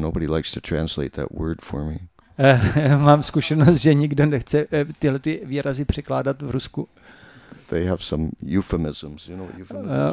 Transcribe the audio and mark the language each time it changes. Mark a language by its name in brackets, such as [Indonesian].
[English] Nobody likes to translate that word for me. [Czech] Mám zkušenost, že nikdo nechce tyhle ty výrazy překládat v Rusku. [English] They have some euphemisms, you know what euphemisms are?